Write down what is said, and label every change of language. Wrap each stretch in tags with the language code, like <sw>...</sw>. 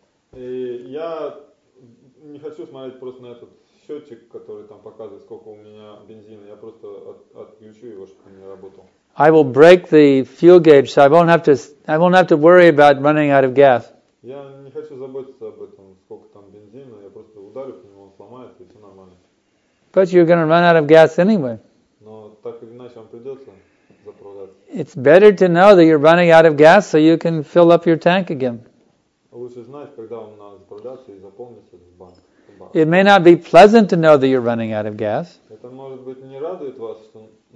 <ru>Я не хочу смотреть просто на этот счетчик, который там показывает, сколько у меня бензина. Я просто отключу его, чтобы он не работал.</ru> <en>I will break the fuel gauge, so I won't have to worry about running out of gas.</en> <ru>Я не хочу заботиться об этом, сколько там бензина. Я просто ударю по нему, он сломается, и все нормально.</ru> <en>But you're going to run out of gas anyway.</en> <ru>Но так или иначе, вам придется заправляться.</ru> <en>It's better to know that you're running out of gas, so you can fill up your tank again.</en> <ru>Лучше знать, когда вам надо заправляться и заполнить этот бак.</ru> <en>It may not be pleasant to know that you're running out of gas.</en> <ru>Это может быть не радует вас, что</ru>